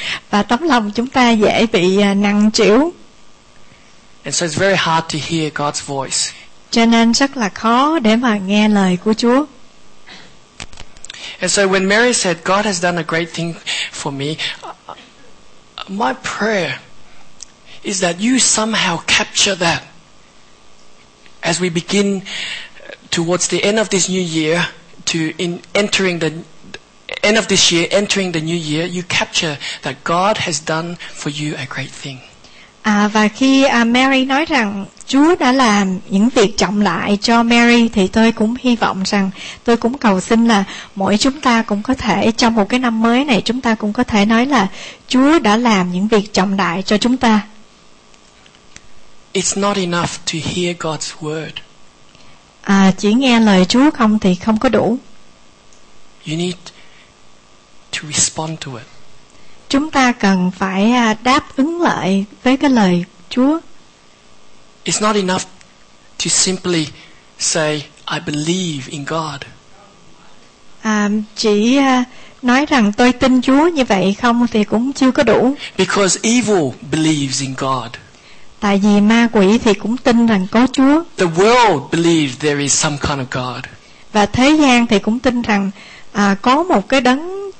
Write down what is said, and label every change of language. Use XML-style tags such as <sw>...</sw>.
<vi>Và tấm lòng chúng ta dễ bị nặng trĩu.</vi> <en>And so it's very hard to hear God's voice.</en> <vi>Cho nên rất là khó để mà nghe lời của Chúa.</vi> <en>And so when Mary said God has done a great thing for me, my prayer is that you somehow capture that as we begin towards the end of this new year to in entering the end of this year, entering the new year, you capture that God has done for you a great thing.</en> <vi>À, và khi Mary nói rằng Chúa đã làm những việc trọng lại cho Mary thì tôi cũng hy vọng rằng, tôi cũng cầu xin là mỗi chúng ta cũng có thể trong một cái năm mới này chúng ta cũng có thể nói là Chúa đã làm những việc trọng đại cho chúng ta.</vi> <en>It's not enough to hear God's word.</en> <vi>À, chỉ nghe lời Chúa không thì không có đủ.</vi> <en>You need to respond to it.</en> <vi>Chúng ta cần phải đáp ứng lại với cái lời Chúa.</vi> <en>It's not enough to simply say I believe in God.</en> <vi>Chỉ nói rằng tôi tin Chúa như vậy không thì cũng chưa có đủ.</vi> <en>Because evil believes in God.</en> <vi>Tại vì ma quỷ thì cũng tin rằng có Chúa.</vi> <en>The world believes there is some kind of God.</en> <vi>Và thế gian thì cũng tin rằng có một cái đấng.</vi>